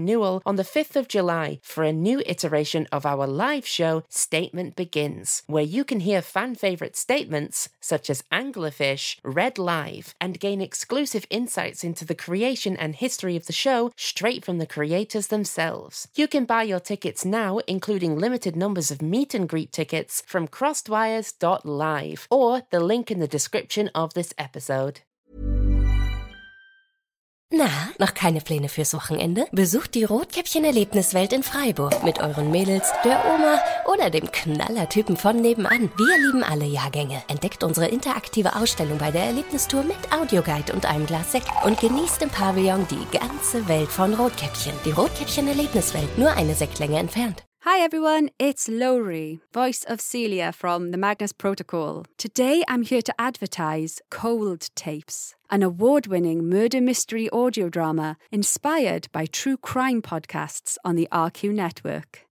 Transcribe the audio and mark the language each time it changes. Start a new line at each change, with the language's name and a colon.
English: Newell on the 5th of July for a new iteration of our live show, Statement Begins, where you can hear fan-favourite statements such as Anglerfish, Red Live, and gain exclusive insights into the creation and history of the show straight from the creators themselves. You can buy your tickets now, including limited numbers of meet and greet tickets, from crossedwires.live or the link in the description of this episode.
German: Na, noch keine Pläne fürs Wochenende? Besucht die Rotkäppchen-Erlebniswelt in Freiburg mit euren Mädels, der Oma oder dem Knallertypen von nebenan. Wir lieben alle Jahrgänge. Entdeckt unsere interaktive Ausstellung bei der Erlebnistour mit Audioguide und einem Glas Sekt und genießt im Pavillon die ganze Welt von Rotkäppchen. Die Rotkäppchen-Erlebniswelt, nur eine Sektlänge entfernt.
English: Hi everyone, it's Lowry, voice of Celia from the Magnus Protocol. Today I'm here to advertise Cold Tapes, an award-winning murder mystery audio drama inspired by true crime podcasts on the RQ network.